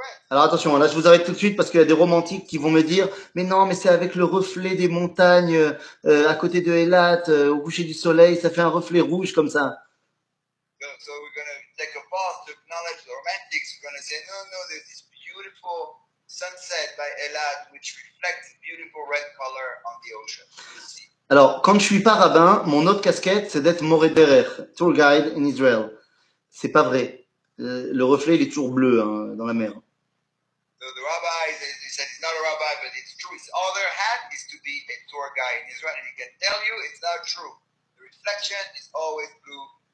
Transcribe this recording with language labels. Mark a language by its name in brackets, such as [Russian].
[French] Alors attention, là je vous arrête tout de suite parce qu'il y a des romantiques qui vont me dire « Mais non, mais c'est avec le reflet des montagnes à côté de Eilat, au coucher du soleil, ça fait un reflet rouge comme ça. » [English] So we're going to take a pause to acknowledge the romantics. We're going to say « No, there's this beautiful... » Sunset by Elad, which reflects a beautiful red color on the ocean. [French] Alors, quand je suis pas rabbin, mon autre casquette, c'est d'être Moré Derech, [English] tour guide in Israel. [French] C'est pas vrai. Le reflet, il est toujours bleu hein, dans la mer. [English] So the rabbi, he said, it's not a rabbi, but it's true. His other hat is to be a tour guide in Israel, and he can tell you it's not true. The reflection is always blue.